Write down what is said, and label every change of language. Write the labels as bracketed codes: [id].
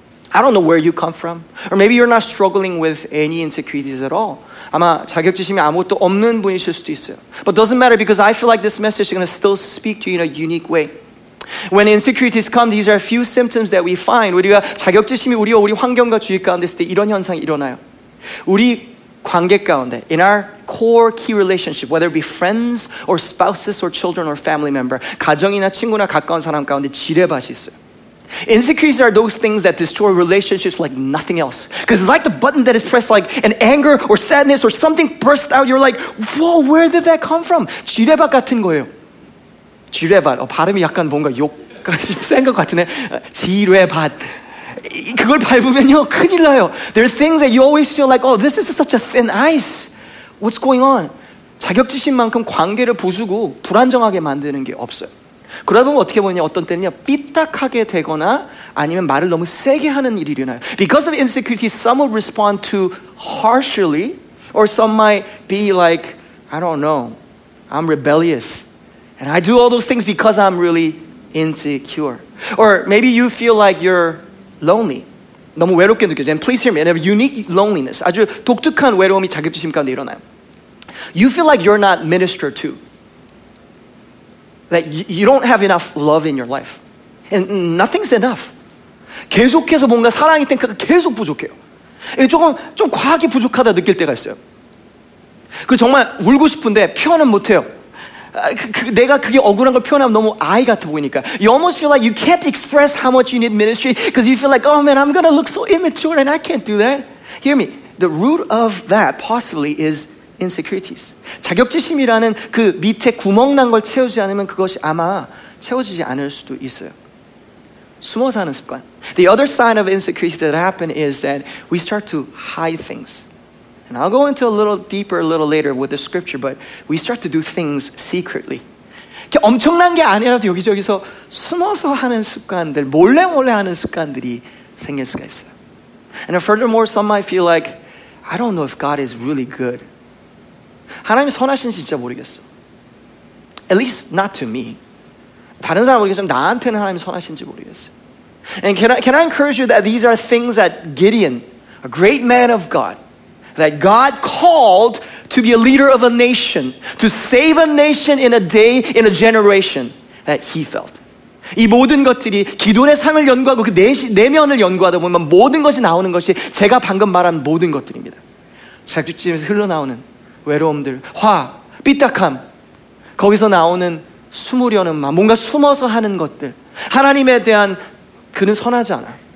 [en] I don't know where you come from. Or maybe you're not struggling with any insecurities at all. [ko] 아마 자격지심이 아무것도 없는 분이실 수도 있어요. [en] But doesn't matter because I feel like this message is going to still speak to you in a unique way. When insecurities come, these are a few symptoms that we find. [ko] 우리가 자격지심이 우리와 우리 환경과 주위 가운데 있을 때 이런 현상이 일어나요. 우리 관계 가운데, [en] in our core key relationship, whether it be friends or spouses or children or family member, [ko] 가정이나 친구나 가까운 사람 가운데 지뢰밭이 있어요. [en] Insecurities are those things that destroy relationships like nothing else. Because it's like the button that is pressed like an anger or sadness or something burst out. You're like, whoa, where did that come from? [ko] 지뢰밭 같은 거예요. 지뢰밭. 발음이 약간 뭔가 욕 센 것 같은데. 지뢰밭. 그걸 밟으면요, 큰일 나요. [en] There are things that you always feel like, oh, this is such a thin ice. What's going on? [ko] 자격지심만큼 관계를 부수고 불안정하게 만드는 게 없어요. 그러다 보면 어떻게 보냐 어떤 때는요 삐딱하게 되거나 아니면 말을 너무 세게 하는 일이 일어나요. [en] Because of insecurity, some would respond too harshly Or some might be like, I don't know, I'm rebellious. And I do all those things because I'm really insecure. Or maybe you feel like you're lonely. [ko] 너무 외롭게 느껴져. [en] And please hear me. I have a unique loneliness. [ko] 아주 독특한 외로움이 자격지심 가운데 일어나요. [en] You feel like you're not ministered to. That you don't have enough love in your life. And nothing's enough. [ko] 계속해서 뭔가 사랑이 탱크가 계속 부족해요. 조금 좀 과하게 부족하다 느낄 때가 있어요. 그리고 정말 울고 싶은데 표현은 못해요. 내가 그게 억울한 걸 표현하면 너무 아이 같아 보이니까. [en] You almost feel like you can't express how much you need ministry because you feel like, oh man, I'm gonna look so immature and I can't do that. Hear me. The root of that possibly is insecurities. [ko] 자격지심이라는 그 밑에 구멍 난 걸 채우지 않으면 그것이 아마 채워지지 않을 수도 있어요. 숨어 사는 습관. [en] The other sign of insecurity that happen is that we start to hide things. And I'll go into a little deeper a little later with the scripture, but we start to do things secretly. [ko] 엄청난 게 아니라도 여기저기서 숨어서 하는 습관들, 몰래 하는 습관들이 생길 수가 있어요. [en] And furthermore, some might feel like, I don't know if God is really good. [ko] 하나님 선하신지 진짜 모르겠어. [en] At least not to me. [ko] 다른 사람 모르겠지만 나한테는 하나님 선하신지 모르겠어. [en] And can I encourage you that these are things that Gideon, a great man of God, that God called to be a leader of a nation, to save a nation in a day, in a generation, that he felt. [ko] 이 모든 것들이 기도의 삶을 연구하고 그 내면을 연구하다 보면 모든 것이 나오는 것이 제가 방금 말한 모든 것들입니다. 자격지심에서 흘러나오는 외로움들, 화, 삐딱함, 거기서 나오는 숨으려는 마음, 뭔가 숨어서 하는 것들, 하나님에 대한 그는 선하지 않아.